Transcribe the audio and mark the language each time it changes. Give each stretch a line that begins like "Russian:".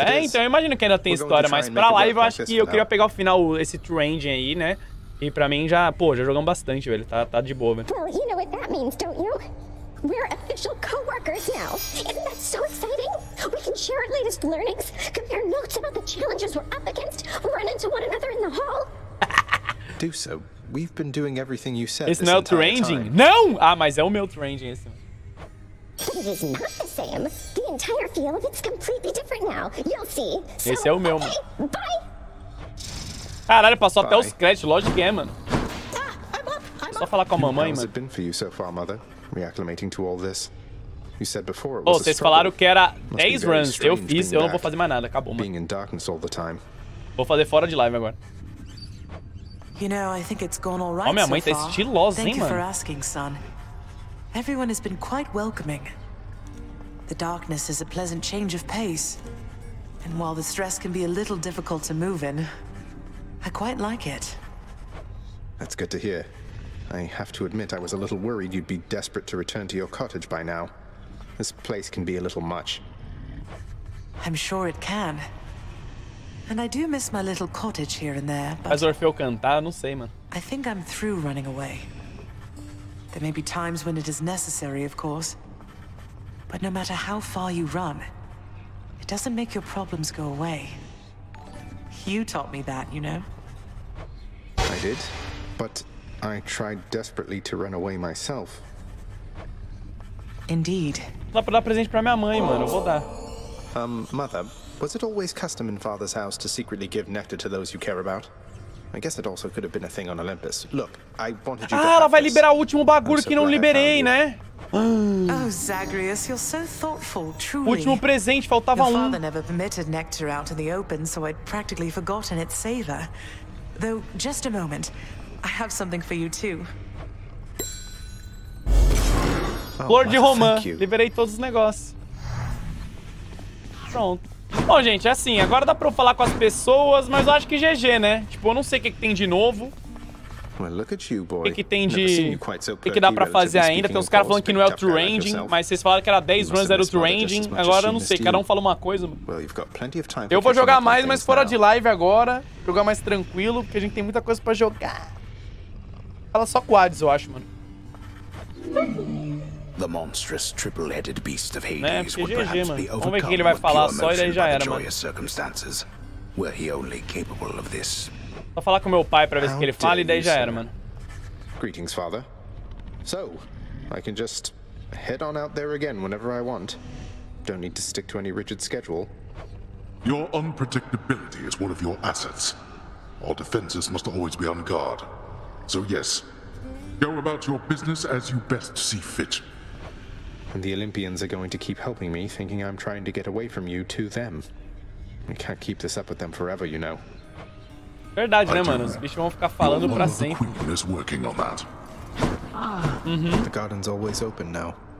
Portuguese: É, então, eu imagino que ainda tem história, mas pra live eu acho que eu queria pegar o final, esse True Ending aí, né? E pra mim já, pô, já jogamos bastante, velho. Tá de boa, velho.
English: Well, you know what that means, don't you? We're official co-workers now. Isn't that so exciting? We can share our latest learnings, compare notes about the challenges we're up against, we run into one another in the hall. Do so. We've been doing everything you said. It's not ranging.
Portuguese: No! Ah, mas é o meu ranging.
English: It is not the same. The entire feel of it's completely different now. You'll see.
Portuguese: So, esse é o meu.
English: Okay, bye.
Portuguese: Caralho, passou bye. Até os créditos, lógico que é, mano.
English: I'm up.
Portuguese: Só falar com a mamãe, mano.
English: How's it been for you so far, mother? Reacclimating to all this. You said before it was
Portuguese: oh, vocês falaram que era 10 runs. Eu fiz, eu não vou fazer mais nada. Acabou, mano.
English: Being in darkness all the time.
Portuguese: Vou fazer fora de live agora.
English: You know, I think it's gone all right.
Portuguese: Oh, minha mãe tá estilosa, hein, mano.
English: Thank you for asking, son. Everyone has been quite welcoming. The darkness is a pleasant change of pace. And while the stress can be a little difficult to move in, I quite like it. That's good to hear. I have to admit, I was a little worried you'd be desperate to return to your cottage by now. This place can be a little much. I'm sure it can. And I do miss my little cottage here and there, but...
Portuguese: Faz Orfeu cantar, não sei, mano.
English: I think I'm through running away. There may be times when it is necessary, of course. But no matter how far you run, it doesn't make your problems go away. You taught me that, you know? I did, but I tried desperately to run away myself. Indeed.
Portuguese: Dá pra dar presente pra minha mãe, mano. Eu vou dar.
English: Mother, was it always custom in father's house to secretly give nectar to those you care about? I guess it also could have been a thing on Olympus. Look, I wanted you to
Portuguese: ela vai liberar o último bagulho que não liberei, né?
English: Oh, Zagreus, you're so thoughtful, truly.
Portuguese: Último presente, faltava um.
English: Your father never permitted nectar out in the open, so I'd practically forgotten its savor. Though, just a moment, I have something for you too.
Portuguese: Flor de romã, liberei todos os negócios. Pronto. Bom, gente, é assim, agora dá pra eu falar com as pessoas, mas eu acho que GG, né? Tipo, eu não sei o que tem de novo.
English: Well, look at you, boy.
Portuguese: O que tem de... O que dá pra fazer ainda? Tem uns caras falando que não é o True Ending, mas vocês falaram que era 10 runs, era o True Ending. Agora eu não sei, cada um fala uma coisa. Eu vou jogar mais, mas fora de live agora. Jogar mais tranquilo, porque a gente tem muita coisa pra jogar. Fala só com o Hades, eu acho, mano.
English: The monstrous triple-headed beast of Hades,
Portuguese: né?
English: Would perhaps GG, be overcome.
Portuguese: Vamos ver que ele vai falar só e aí já era, mano.
English: Joyous circumstances. Were he only capable of this?
Portuguese: Vou falar com meu pai para ver o que ele fala e daí já era, mano.
English: Greetings, father. So, I can just head on out there again whenever I want. Don't need to stick to any rigid schedule. Your unpredictability is one of your assets. All defenses must always be on guard. So yes, go about your business as you best see fit. And the Olympians are going to keep helping me, thinking I'm trying to get away from you to them. I can't keep this up with them forever, you know.
Portuguese: Verdade, né, mano? Os bichos vão ficar falando pra sempre.
English: The queen is working on that. Uhum. The garden's always open now.